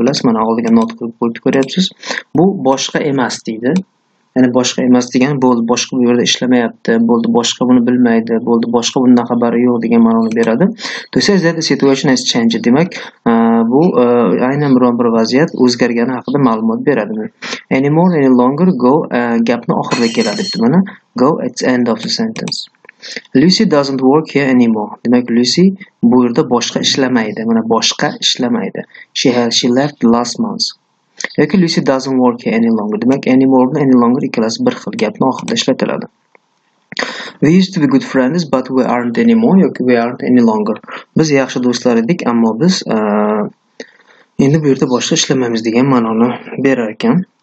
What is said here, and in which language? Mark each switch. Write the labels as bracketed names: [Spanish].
[Uzbek] Bilasiz, mana oldiga not qilib qo'yib ko'ryapsiz. Bu boshqa emas deydi. Ya'ni boshqa emas degani bo'ldi, boshqa bu yerda ishlamayapti, bo'ldi, boshqa buni bilmaydi, bo'ldi, boshqa bundan xabari yo'q degan ma'noni beradi. [English] To says that the situation has changed. [Uzbek] Demak, bu aynan biron bir vaziyat o'zgargani haqida ma'lumot beradi. Any more, any longer, go gapni oxirida keladi debdi mana. [English] Go at the end of the sentence. Lucy doesn't work here anymore. [Uzbek] Demak, Lucy bu yerda boshqa ishlamaydi. Mana boshqa ishlamaydi. [English] She left last month. [Uzbek] Yoki [English] Lucy doesn't work here any longer. [Uzbek] Demak, anymore va any longer ikkalasi bir xil gapni oxirida ishlatiladi. [English] We used to be good friends, but we aren't anymore. [Uzbek] Yoki [English] we aren't any longer. [Uzbek] Biz yaxshi do'stlar edik, ammo biz endi bu yerda boshqa ishlamaymiz degan ma'noni berar ekan.